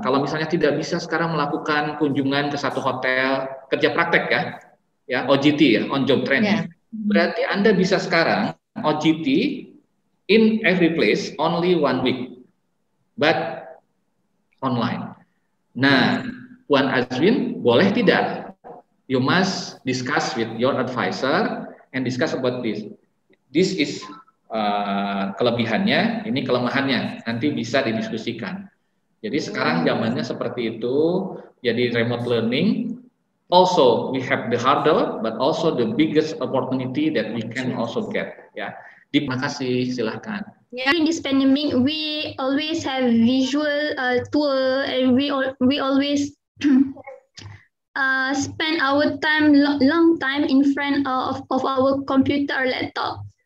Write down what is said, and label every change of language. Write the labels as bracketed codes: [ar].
[id] Kalau misalnya tidak bisa sekarang melakukan kunjungan ke satu hotel, kerja praktek ya, ya OJT ya, on job training. [en] Yeah. [id] Berarti Anda bisa sekarang [en] OJT in every place only one week, but online. [id] Nah, Puan Azwin, boleh tidak? [en] You must discuss with your advisor and discuss about this. This is [id] kelebihannya, ini kelemahannya. Nanti bisa didiskusikan. Jadi sekarang zamannya seperti itu. Jadi remote learning. [en] Also, we have the hurdle, but also the biggest opportunity that we can also get. [id] Yeah. Terima kasih, silakan. [en] Yeah, in this pandemic, we always have visual tour, and we always spend our time long time in front of our computer or laptop.